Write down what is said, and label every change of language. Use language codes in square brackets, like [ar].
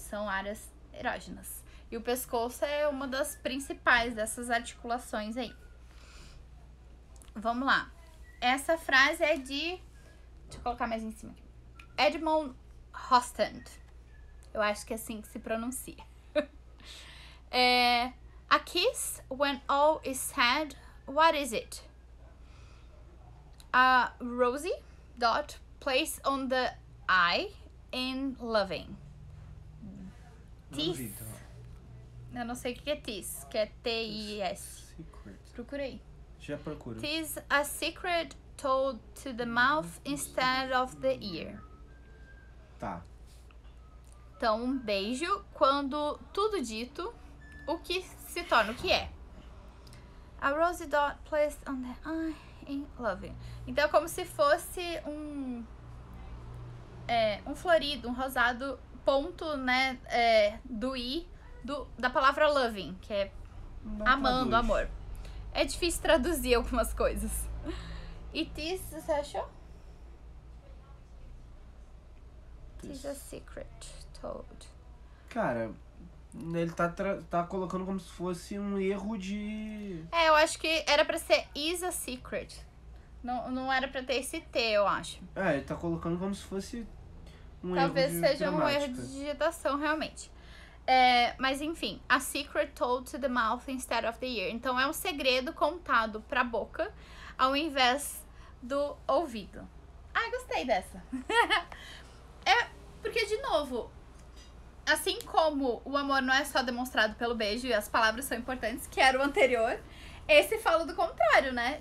[pt] São áreas erógenas. E o pescoço é uma das principais dessas articulações aí. Vamos lá. Essa frase é de... Deixa eu colocar mais em cima aqui. Edmond Hostand. Eu acho que é assim que se pronuncia. [en] A kiss, when all is said, what is it? A rosy dot placed on the eye in loving. Tis. [pt] Eu não sei o que é tis, que é T-I-S. Procurei. Já procuro. [en] Tis a secret told to the mouth instead of the ear. [pt] Tá. Então, um beijo quando tudo dito, o que se torna o que é. [en] A rosy dot placed on the eye in loving. [pt] Então, é como se fosse um florido, um rosado ponto, né, do i, da palavra loving, que é não amando, traduz. Amor. É difícil traduzir algumas coisas. [en] It is, [pt] você achou? [en] It is a secret told. [pt] Cara, ele tá colocando como se fosse um erro de... eu acho que era pra ser [en] is a secret. [pt] Não, não era pra ter esse T, eu acho. Ele tá colocando como se fosse um talvez erro seja dramática. Um erro de digitação, realmente. Mas enfim, [en] a secret told to the mouth instead of the ear. [pt] Então é um segredo contado pra boca ao invés do ouvido. Ai, gostei dessa. Porque, de novo, assim como o amor não é só demonstrado pelo beijo e as palavras são importantes, que era o anterior, esse fala do contrário, né?